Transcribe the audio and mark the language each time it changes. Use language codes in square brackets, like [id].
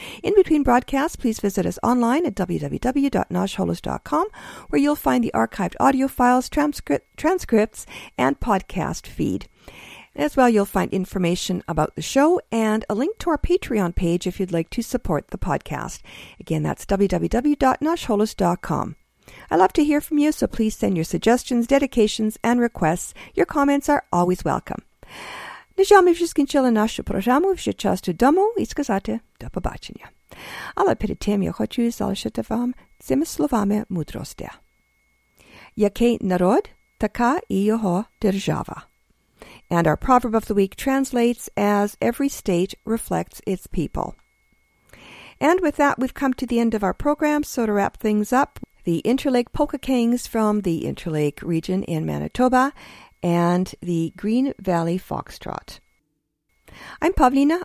[en] In between broadcasts, please visit us online at www.noshholos.com, where you'll find the archived audio files, transcripts, and podcast feed. As well, you'll find information about the show and a link to our Patreon page if you'd like to support the podcast. Again, that's www.noshholos.com. I love to hear from you, so please send your suggestions, dedications, and requests. Your comments are always welcome. [uk] Нажами вже скінчили нашу програму, вже час додому і сказати до побачення. Але перед тим я хочу залишити вам цими словами мудрості. Який народ, така і його держава. [en] And our proverb of the week translates as every state reflects its people. And with that, we've come to the end of our program. So to wrap things up, the Interlake Polka Kings from the Interlake region in Manitoba and the Green Valley Foxtrot. I'm Pavlina.